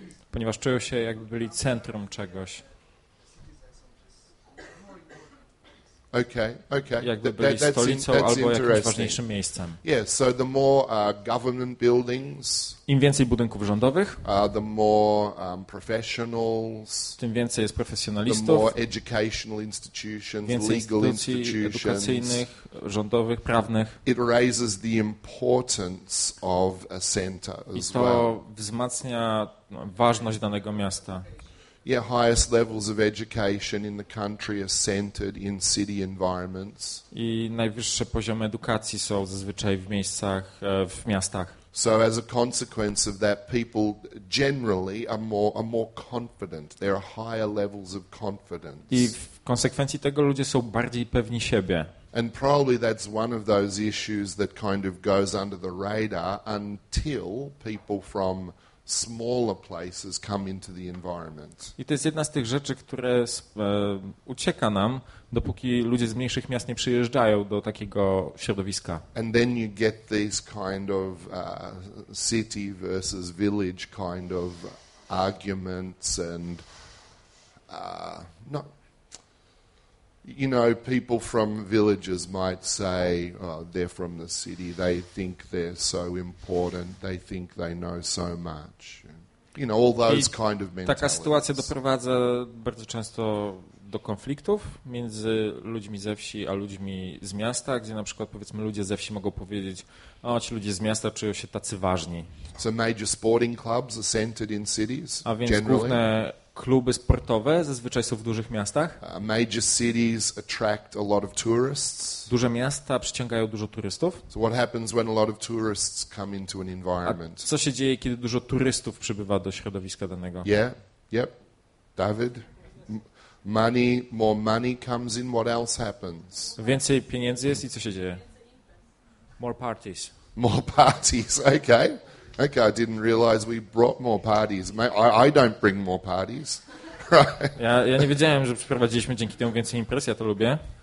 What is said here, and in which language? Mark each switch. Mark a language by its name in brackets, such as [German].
[Polish] Ponieważ czują się, jakby byli centrum czegoś. Okay. Jakby byli stolicą albo jakimś ważniejszym miejscem. [English] Yeah, so the more government buildings, [Polish] im więcej budynków rządowych, [English] the more professionals, [Polish] tym więcej jest profesjonalistów, [English] the more educational institutions, [Polish] więcej [English] legal [Polish] instytucji edukacyjnych, rządowych, prawnych. [English] It raises the importance of a center as well. [Polish] I to wzmacnia ważność danego miasta. [English] Yeah, highest levels of education in the country are centered in city environments. [Polish] I najwyższe poziomy edukacji są zazwyczaj w miejscach, w miastach. [English] So as a consequence of that, people generally are more confident. There are higher levels of confidence. [Polish] I w konsekwencji tego ludzie są bardziej pewni siebie. [English] And probably that's one of those issues that kind of goes under the radar until people from smaller places come into the environment. [Polish] I to jest jedna z tych rzeczy, które ucieka nam, dopóki ludzie z mniejszych miast nie przyjeżdżają do takiego środowiska. [English] And then you get this kind of city versus village kind of arguments and not. You know, people from villages might say they're from the city. They think they're so important. They think they know so much. You know, all those kind of mentalities. [Polish] Taka sytuacja doprowadza bardzo często do konfliktów między ludźmi ze wsi a ludźmi z miasta, gdzie na przykład powiedzmy ludzie ze wsi mogą powiedzieć, o, ci ludzie z miasta czują się tacy ważni. [English] So major sporting clubs are centered in cities, [Polish] a więc [English] generally. [Polish] Główne Kluby sportowe zazwyczaj są w dużych miastach. [English] Major cities attract a lot of tourists. [Polish] Duże miasta przyciągają dużo turystów. [English] So what happens when a lot of tourists come into an environment? [Polish] A co się dzieje, kiedy dużo turystów przybywa do środowiska danego? [English] Yeah, yep. David, more money comes in. What else happens? [Polish] Więcej pieniędzy jest i co się dzieje? [English] More parties. More parties. Okay. Okay, I didn't realize we brought more parties. I don't bring more parties. Right? [Polish] Ja nie wiedziałem, że przeprowadziliśmy dzięki temu więcej imprez, ja to lubię.